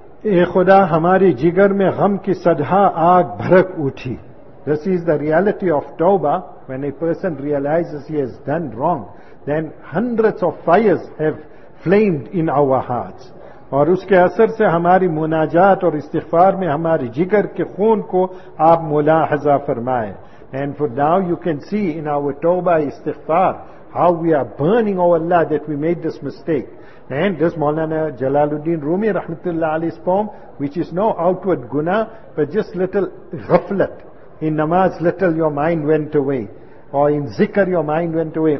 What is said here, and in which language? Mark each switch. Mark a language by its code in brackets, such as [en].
[ur] اے خدا ہماری جگر میں غم کی صدہ آگ بھڑک اٹھی. [en] This is the reality of Tawbah. When a person realizes he has done wrong, then hundreds of fires have flamed in our hearts. [ur] اور اس کے اثر سے ہماری مناجات اور استغفار میں ہماری جگر کے خون کو آپ ملاحظہ فرمائے. [en] And for now you can see in our Tawbah استغفار how we are burning, oh Allah, that we made this mistake. And this Maulana Jalaluddin Rumi rahmatullah alayhi's poem, which is no outward guna, but just little ghaflat. In namaz, little your mind went away. Or in zikr, your mind went away.